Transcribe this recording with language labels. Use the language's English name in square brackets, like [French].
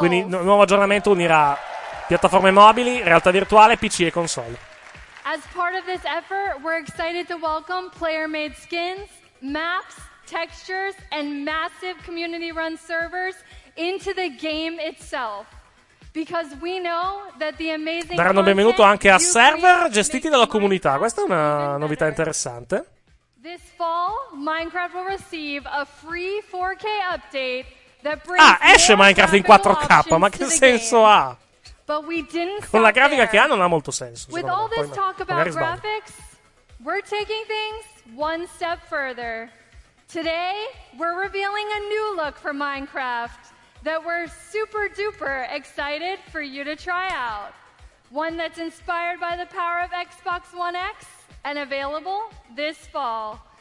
[Italian] Quindi il nuovo aggiornamento unirà piattaforme mobili, realtà virtuale, PC e console. [English] As part of this effort, we're excited to welcome player-made skins, maps, textures and massive community-run servers into the game itself. Because we know that the amazing [Italian] daranno benvenuto anche a server gestiti dalla comunità. Questa è una novità interessante. [English] This fall, Minecraft will receive a free 4K update that brings. [Italian] Ah, esce Minecraft in 4K, ma che senso ha? [English] But we didn't. [Italian] Con la grafica che ha non ha molto senso. [English] With all this talk about graphics, we're taking things one step further. Today, we're revealing a new look for Minecraft that we're super duper excited for you to try out. One that's inspired by the power of Xbox One X and available this fall.